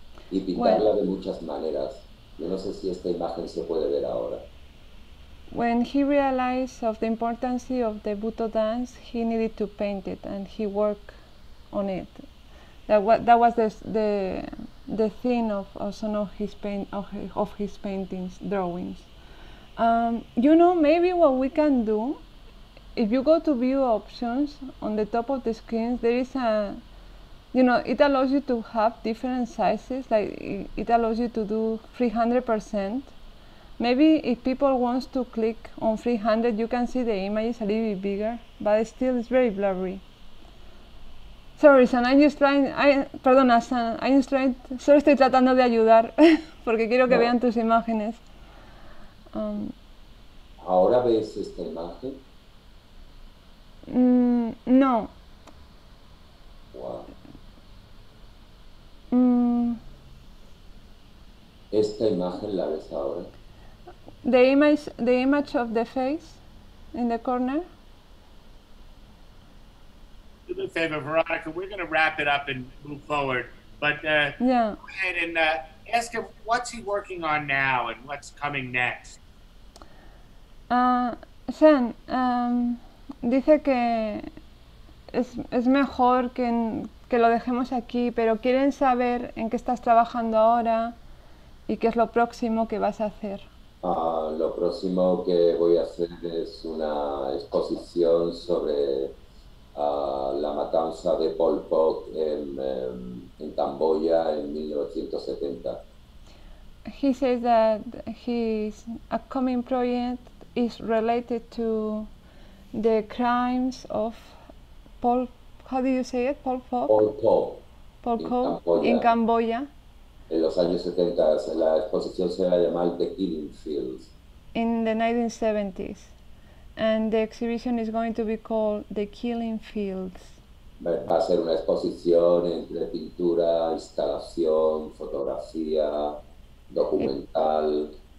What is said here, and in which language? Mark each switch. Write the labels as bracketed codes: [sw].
[es] Y pintarla de muchas maneras. Yo no sé si esta imagen se puede ver ahora. [en] When he realized of the importance of the Buto dance, he needed to paint it, and he worked on it. That was the theme of some of his paint of his paintings, drawings. You know, maybe what we can do, if you go to view options on the top of the screen, there is a, you know, it allows you to have different sizes. Like it allows you to do 300%. Maybe if people want to click on 300, you can see the image a little bit bigger, but still it's very blurry. [es] Sorry, Xan, solo estoy tratando de ayudar, porque quiero que vean tus imágenes. ¿Ahora ves esta imagen? No. [en] Wow. [es] Esta imagen la ves ahora. [en] The image of the face in the corner. Do me a favor, Veronica, we're going to wrap it up and move forward. But go ahead and ask him what's he working on now and what's coming next. [es] Xan, dice que es mejor que lo dejemos aquí, pero quieren saber en qué estás trabajando ahora y qué es lo próximo que vas a hacer. Lo próximo que voy a hacer es una exposición sobre la matanza de Pol Pot en Camboya en 1970. [en] He says that his upcoming project is related to the crimes of Pol, how do you say it? Pol Pot? Pol Pot. Pol Pot in Cambodia. [es] En los años 70, la exposición se va a llamar The Killing Fields. [en] In the 1970s. And the exhibition is going to be called The Killing Fields. [es] Va a ser una exposición entre pintura, instalación, fotografía, documental.